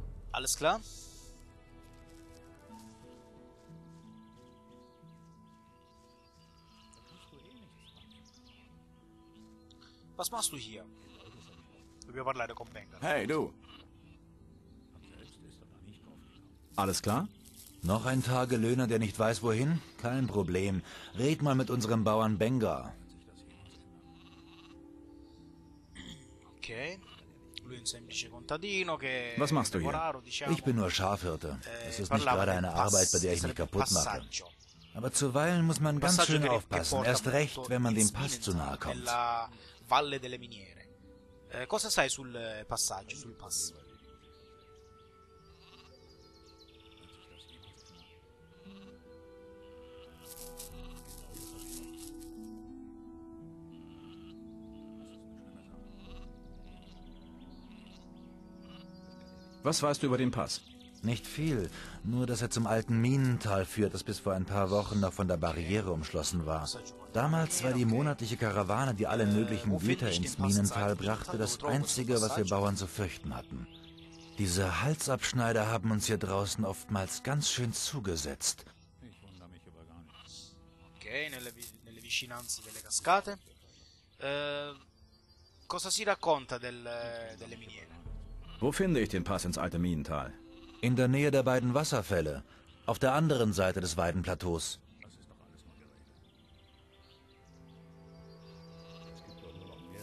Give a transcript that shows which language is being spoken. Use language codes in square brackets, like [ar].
[de] Alles klar? Was machst du hier? [it] Dobbiamo parlare con Bengal. [de] Hey du. Alles klar? Noch ein Tagelöhner, der nicht weiß, wohin? Kein Problem. Red mal mit unserem Bauern Benga. Ok. [it] Lui è un semplice contadino che. [de] Was machst du hier? [it] Diciamo. [de] Ich bin nur Schafhirte. Es ist nicht gerade eine Arbeit, bei der ich mich kaputt mache. Aber zuweilen muss man ganz schön aufpassen, erst recht, wenn man dem Pass zu nahe kommt. [it] Nella valle delle miniere. Cosa sai sul passaggio, sul pass? [de] Was weißt du über den Pass? Nicht viel, nur dass er zum alten Minental führt, das bis vor ein paar Wochen noch von der Barriere umschlossen war. Damals war die monatliche Karawane, die alle möglichen Güter ins Minental brachte, das Einzige, was wir Bauern zu fürchten hatten. Diese Halsabschneider haben uns hier draußen oftmals ganz schön zugesetzt. Ich wundere mich über gar nichts. [it] Okay, nelle vicinanze delle cascate. Cosa si racconta delle miniere? [de] Wo finde ich den Pass ins alte Minental? In der Nähe der beiden Wasserfälle, auf der anderen Seite des Weidenplateaus. Das ist doch alles nur Gerede. Es gibt doch nur noch mehr.